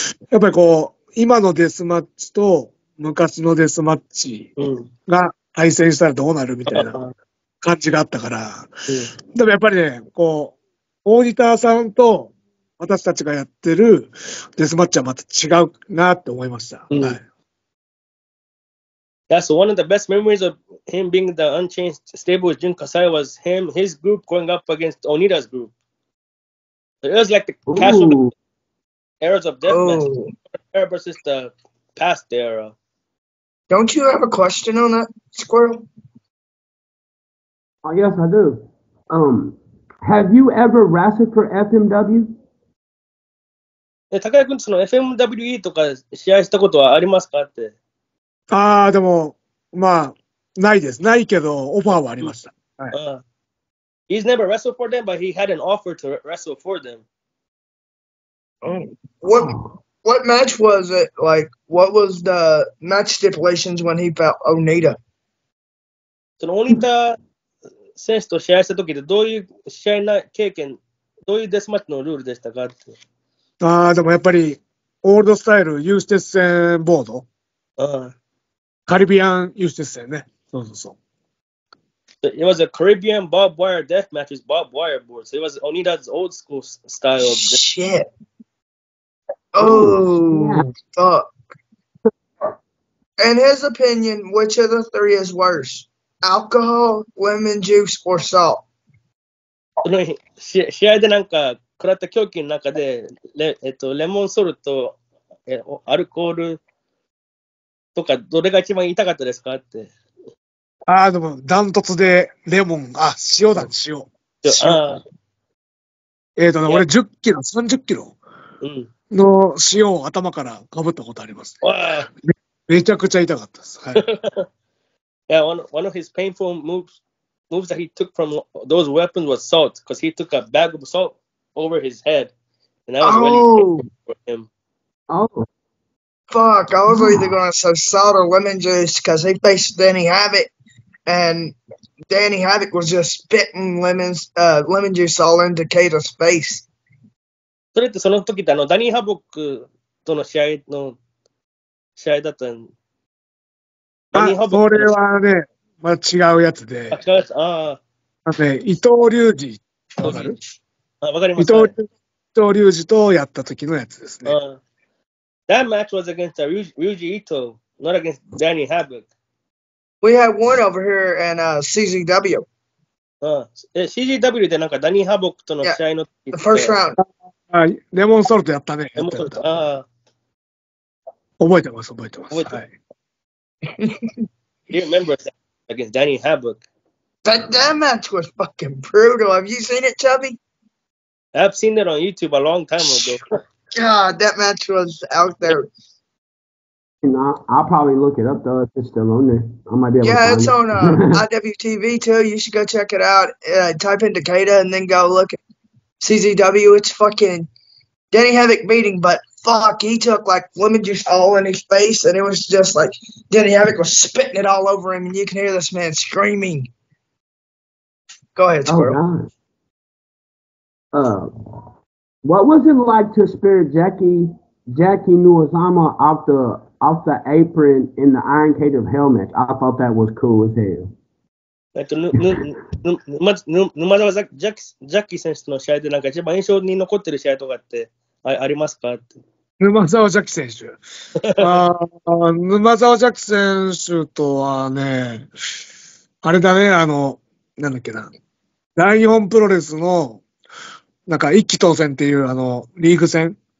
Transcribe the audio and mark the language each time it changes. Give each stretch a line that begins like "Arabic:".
Japanese: やっぱりこう、今のデスマッチと昔のデスマッチが対戦したらどうなるみたいな感じがあったから、でもやっぱりね、こう、オーディターさんと私たちがやってるデスマッチはまた違うなって思いました。
English: That's one of the best memories of him being the unchanged stable with Jun Kasai was him, his group going up against Onita's group. It was like the casual eras of deathmatch versus the past era. Don't you have a question on that, Squirrel? Oh, yes, I do. Have you ever wrestled for FMW?
Japanese: Takaya-kun, その FMWE とか試合したことはありますかって。ああ、でも、まあ、ないです。ないけど、オファーはありました。はい。
English: He's never wrestled for them, but he had an offer to wrestle for them. What, What match was it? Like, what was the match stipulations when he fought Onita?
Japanese: そのオニタ選手と試合した時でどういう試合な経験、どういうデスマッチのルールでしたかって。ああ、でもやっぱりオールドスタイルユーステス戦ボード。ああ。カリビアンユーステス戦ね。そうそうそう。
English: It was a Caribbean barbed wire death match with barbed wire boards. It was Onita's old school style. Of death. Shit. Oh, fuck. In his opinion, which of the three is worse? Alcohol, lemon juice, or salt?
Japanese: この試合でなんか食らった狂気の中で、レモンソルト、アルコールとかどれが一番痛かったですかって。ああ、でも、ダントツで、レモン、あ、塩だ、ね、塩。塩。ええー、とね、俺10キロ、30キロの塩を頭からかぶったことあります、ね。めちゃくちゃ痛かったです。はい。
English: Yeah, one of his painful moves that he took from those weapons was salt, because he took a bag of salt over his head. And that was really painful for him. Oh. Fuck, I was either going to say salt or lemon juice because he faced Danny Havoc and Danny Havoc was just spitting lemon juice all into Kato's face.
Japanese: それってその時ってダニー・ハボックとの試合の試合だったん。あ、それはね、まあ、違うやつで。あ、違うやつ、ああ。あとね、伊藤隆二、わかる？あ、わかります伊藤隆二とやった時のやつですね。
English: That match was against Ryuji Ito, not against Danny Havoc. We had one over here in CZW.
Japanese: CZW でなんかダニー・ハボックとの試合の時って
English: 。The first round.
Japanese: レモンソルトやったね。レモンソルト。覚えてます、覚えてます。はい。
English: Do you remember that against Danny Havoc? That match was fucking brutal. Have you seen it, Chubby? I've seen it on YouTube a long time ago. God, that match was out there. I'll probably look it up though if it's still on there. I might be able to. Yeah, it's on IWTV too. You should go check it out. Type in Takeda and then go look at CZW. It's fucking Danny Havoc beating, but fuck, he took like lemon juice all in his face and it was just like Danny Havoc was spitting it all over him and you can hear this man screaming. Go ahead, Squirrel. Oh, God. What was it like to spear Jackie Nuozama off the apron in the Iron Cage of Hell match? I thought that was cool as hell.
Japanese: Jackie 選手の試合でなんか一番印象に残ってる試合とかってありますか？沼澤ジャッキ選手。沼澤ジャッキ選手とはね、あれだね、なんだっけな、ライオンプロレスのなんか、一騎当選っていう、リーグ戦、